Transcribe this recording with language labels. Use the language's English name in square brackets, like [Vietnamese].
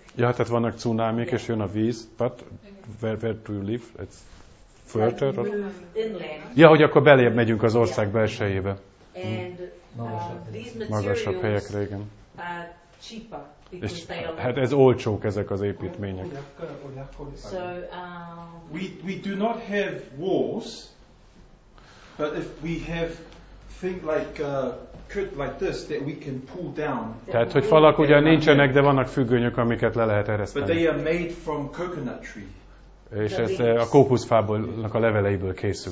[Hungarian] Ja, tehát vannak cunámik, és jön a víz, [English] but where do you live? It's further? Like move inland. [Hungarian] Ja, hogy akkor beljebb megyünk az ország belsejébe. Magasabb helyekre, igen. [English] Cheaper. [Hungarian] És, hát ez olcsók ezek az építmények. [English] So, we do not have walls, but if we have things like this that we can pull down. [Hungarian] Tehát hogy falak ugyan nincsenek, de vannak függönyök, amiket le lehet ereszteni. [English] But they are made from coconut tree. [Hungarian] És ez a kókuszfábólnak a leveleiből készül.